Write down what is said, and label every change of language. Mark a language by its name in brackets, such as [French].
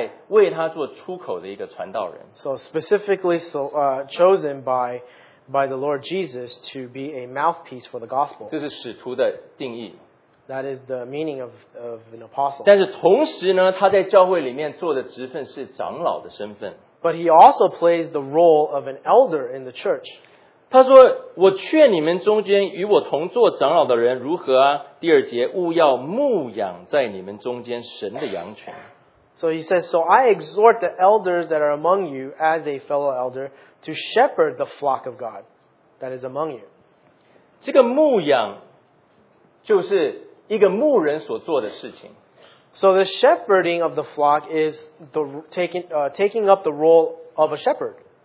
[Chinese] 是主耶稣基督所指派为他做出口的一个传道人。 [English] So specifically chosen by the Lord Jesus to be a mouthpiece for the gospel. [Chinese] 这是使徒的定义。 [English] That is the meaning of an apostle. [Chinese] 但是同时呢，他在教会里面做的职分是长老的身份。 [English] But he also plays the role of an elder in the church. [Chinese] 他说,我劝你们中间与我同做长老的人如何啊?第二节,务要牧养在你们中间神的羊群。So [English] he says, so I exhort the elders that are among you as a fellow elder to shepherd the flock of God that is among you. [Chinese] 这个牧养就是一个牧人所做的事情。 [English] So the shepherding of the flock is the taking up the role of a shepherd.